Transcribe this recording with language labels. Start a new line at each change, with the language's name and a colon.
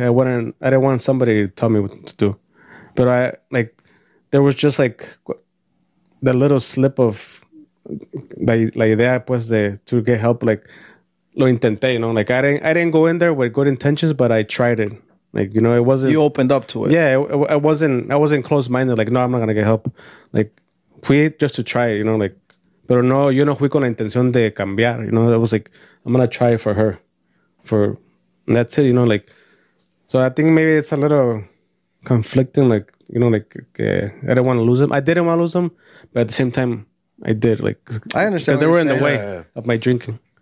English: I didn't want somebody to tell me what to do. But I, like, there was just, like, the little slip of
Spanish: la idea, pues, de,
English: to get help, like,
Spanish: lo intenté,
English: you know, like I didn't go in there with good intentions, but I tried it. Like, you know, it wasn't. You opened up to it. Yeah, I wasn't close minded. Like, no, I'm not gonna get help. Like,
Spanish: fui
English: just to try it, you know.
Spanish: Like, pero no, yo no fui con la intención de cambiar.
English: You know, it was like, I'm gonna try it for her, for, and that's it. You know, like, so I think maybe it's a little conflicting. Like, you know, like, okay, I didn't want to lose them. I didn't want to lose them, but at the same time, I did. Like, I understand because they were in the way of my drinking.